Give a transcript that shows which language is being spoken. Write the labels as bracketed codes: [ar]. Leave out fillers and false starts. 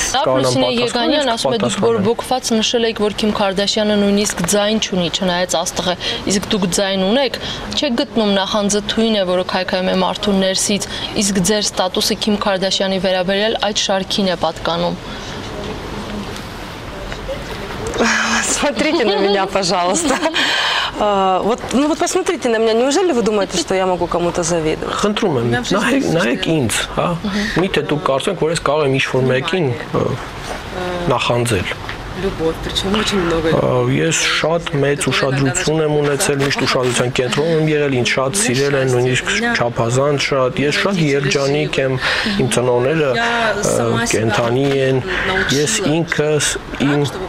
[hy] Ռուսինե Եգանյան ասում է, դուք որ ոգված նշել եք, որ Քիմ Քարդաշյանը նույնիսկ ձայն չունի, չնայած աստղը, իսկ դուք ձայն ունեք, չեք գտնում նախանձը թույն է, որը քայքայում է մարդու ներսից, իսկ ձեր ստատուսը Քիմ Քարդաշյանի վերաբերյալ այդ շարքին է պատկանում։ [ru] Смотрите на меня, пожалуйста. Вот посмотрите на меня. Неужели вы думаете, что я могу кому-то завидовать? [hy] Խնդրում եմ, նայեք ինձ, հա, միթե դուք կարծում եք, որ ես կարող եմ ինչ-որ մեկին նախանձել։ [ru] Любовь, причем очень много любви. [hy] Ես շատ մեծ ուշադրություն եմ ունեցել, միշտ ուշադրության կենտրոն եմ եղել, ինձ շատ սիրել են, նույնիսկ չափազանց շատ, ես շատ երջանիկ եմ, իմ ծնողները կենդանի են, ես ինքս իմ